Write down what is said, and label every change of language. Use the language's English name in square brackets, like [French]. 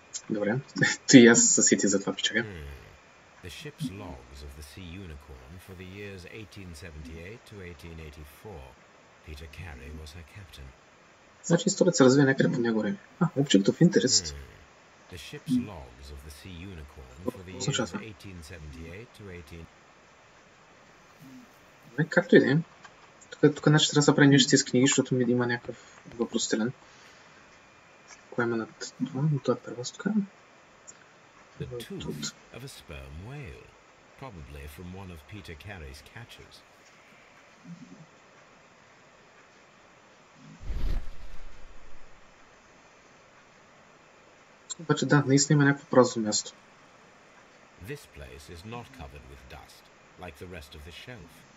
[Bulgarian] Добре, ти и аз се сети за това, пичага. [English] The ship's logs of the Sea Unicorn for the years 1878 to 1884. Peter Carey was her captain. [Bulgarian] Значи историята се развива някъде по него време. [English] А, Object of Interest. The ship's logs of the Sea Unicorn for the years 1878 to 18... [Bulgarian] Не, както и да им. Тук значи трябва да се прави нещо с книги, защото ми има някакъв въпросителен. Кое има над това? Но това е първо с тук. [English] The tooth of a sperm whale, probably from one of Peter Carey's catches. [Bulgarian] Обаче да, наистина има някакво празно място. [English] This place is not covered with dust, like the rest of the shelf.